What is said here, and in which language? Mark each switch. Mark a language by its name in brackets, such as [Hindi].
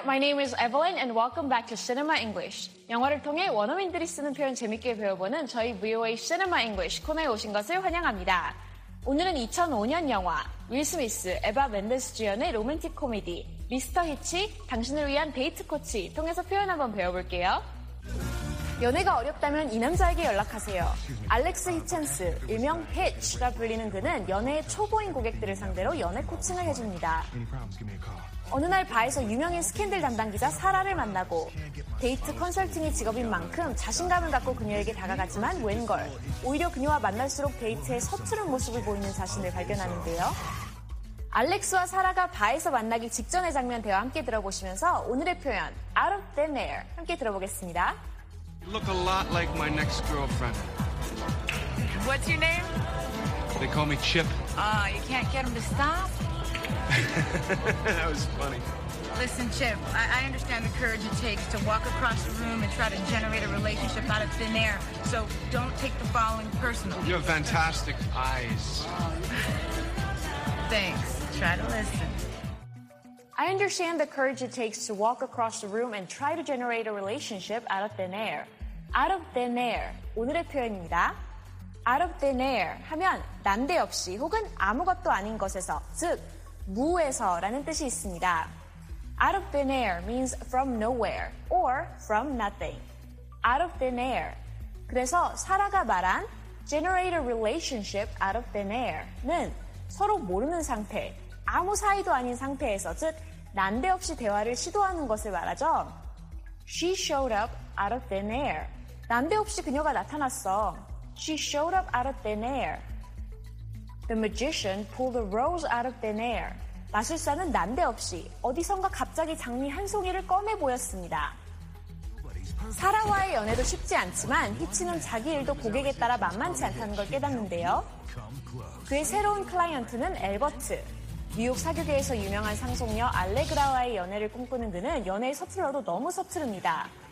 [English] My name is Evelyn and welcome back to Cinema English. [Korean] 영화를 통해 원어민들이 쓰는 표현 재밌게 배워보는 저희 VOA Cinema English 코너에 오신 것을 환영합니다. 오늘은 2005년 영화 윌 스미스, 에바 멘데스 주연의 로맨틱 코미디 미스터 히치, 당신을 위한 데이트 코치 통해서 표현 한번 배워볼게요. 연애가 어렵다면 이 남자에게 연락하세요. 알렉스 히첸스, 일명 히치가 불리는 그는 연애의 초보인 고객들을 상대로 연애 코칭을 해줍니다. 어느 날 바에서 유명인 스캔들 담당 기자 사라를 만나고 데이트 컨설팅이 직업인 만큼 자신감을 갖고 그녀에게 다가가지만 웬걸 오히려 그녀와 만날수록 데이트에 서투른 모습을 보이는 자신을 발견하는데요. 알렉스와 사라가 바에서 만나기 직전의 장면 대화 함께 들어보시면서 오늘의 표현 Out of thin air 함께 들어보겠습니다. [English] Look a lot like my next girlfriend. What's your name? They call me Chip. You can't get him to stop? That was funny. Listen, Chip, I understand the courage it takes to walk across the room and try to generate a relationship out of thin air. So don't take the following personal. You have fantastic eyes. Thanks. Try to listen. I understand the courage it takes to walk across the room and try to generate a relationship out of thin air. Out of thin air, [Korean] 오늘의 표현입니다. [English] Out of thin air [Korean] 하면 난데없이 혹은 아무것도 아닌 것에서, 즉, 무에서라는 뜻이 있습니다. [English] Out of thin air means from nowhere or from nothing. Out of thin air. [Korean] 그래서 사라가 말한 [English] generate a relationship out of thin air [Korean] 는 서로 모르는 상태, 아무 사이도 아닌 상태에서, 즉, 난데없이 대화를 시도하는 것을 말하죠. [English] She showed up out of thin air. [Korean] 난데없이 그녀가 나타났어. [English] She showed up out of thin air. The magician pulled a rose out of thin air. [Korean] 마술사는 난데없이 어디선가 갑자기 장미 한 송이를 꺼내 보였습니다. 사라와의 연애도 쉽지 않지만 히치는 자기 일도 고객에 따라 만만치 않다는 걸 깨닫는데요. 그의 새로운 클라이언트는 엘버트. 뉴욕 사교계에서 유명한 상속녀 알레그라와의 연애를 꿈꾸는 그는 연애에 서툴러도 너무 서투릅니다.